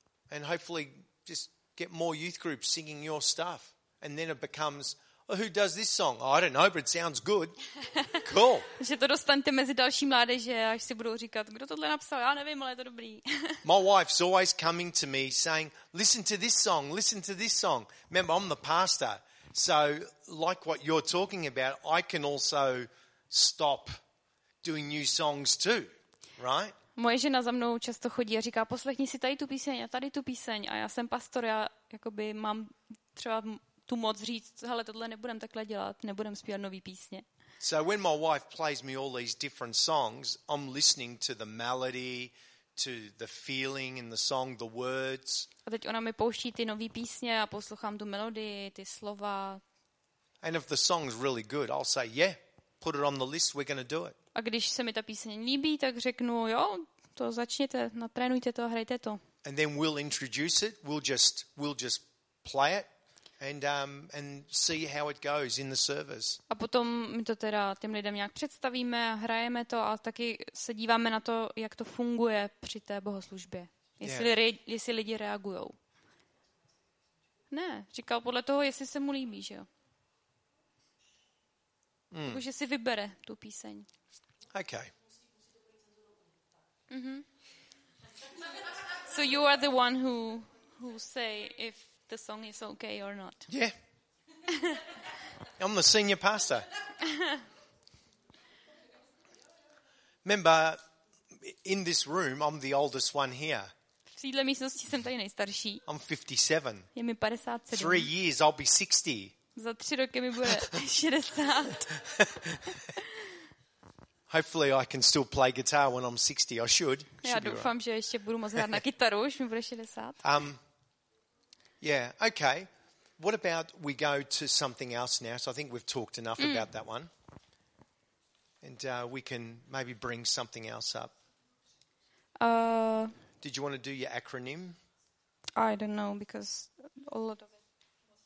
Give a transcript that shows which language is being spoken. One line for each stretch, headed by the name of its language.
English: And hopefully just get more youth groups singing your stuff. And then it becomes, oh, who does this song? Oh, I don't know, but it sounds good. Cool.
Czech: Že to dostanete mezi další mládeže, až si budou říkat, kdo tohle napsal? Já nevím, ale je to dobrý.
English: My wife's always coming to me saying, listen to this song. Remember, I'm the pastor. So, like what you're talking about, I can also stop doing new songs too, right?
Czech: Moje žena za mnou často chodí a říká, poslechni si tady tu píseň a tady tu píseň. A já jsem pastor, já jakoby mám třeba tu moc říct, hele, tohle nebudem takhle dělat, nebudem zpívat nový písně.
English: So when my wife plays me all these different songs, I'm listening to the melody, to the feeling in the song, the words.
Czech: A teď ona mi pouští ty nový písně a poslouchám tu melodii, ty slova.
English: And if the song's really good, I'll say, yeah, put it on the list, we're going to do it.
Czech: A když se mi ta píseň líbí, tak řeknu, jo, to začněte, natrénujte to, hrajte to.
English: And then we'll introduce it, we'll just play it. And see how it goes in the service.
Czech: A potom my to teda těm lidem nějak představíme a hrajeme to a taky se díváme na to, jak to funguje při té bohoslužbě. Jestli lidi reagujou. Ne, říkal podle toho, jestli se mu líbí, že jo. Takže si vybere tu píseň.
English: Okay. Mm-hmm. So you are the one who say if the song is okay or not. Yeah. I'm the senior pastor. Remember, in this room, I'm the oldest one here.
Czech: V téhle místnosti jsem tady nejstarší.
English: I'm 57.
Czech: Je mi 57.
English: 3 years, I'll be 60.
Czech: Za 3 roky mi bude 60.
English: Hopefully I can still play guitar when I'm 60. I should.
Czech: Já doufám, že ještě budu moct hrát na kytaru, už mi bude 60.
English: Yeah, okay. What about we go to something else now? So I think we've talked enough about that one. And we can maybe bring something else up. Did you want to do your acronym? I don't know, because a lot of it was